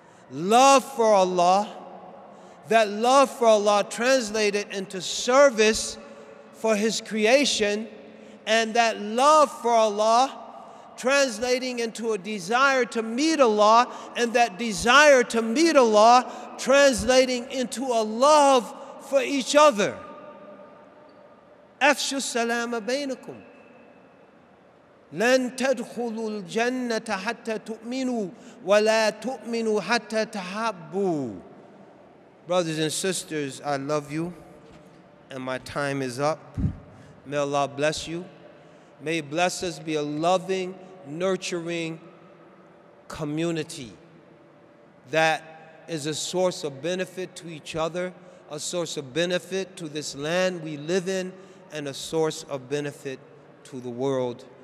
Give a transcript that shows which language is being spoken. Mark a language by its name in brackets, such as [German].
[English] Love for Allah. That love for Allah translated into service for His creation, and that love for Allah translating into a desire to meet Allah, and that desire to meet Allah translating into a love for each other. [Arabic] Afshu salama baynakum. لن تدخلوا الجنة حتى تؤمنوا ولا تؤمنوا حتى تحبوا. [English] Brothers and sisters, I love you, and my time is up. May Allah bless you. May He bless us be a loving, nurturing community that is a source of benefit to each other, a source of benefit to this land we live in, and a source of benefit to the world.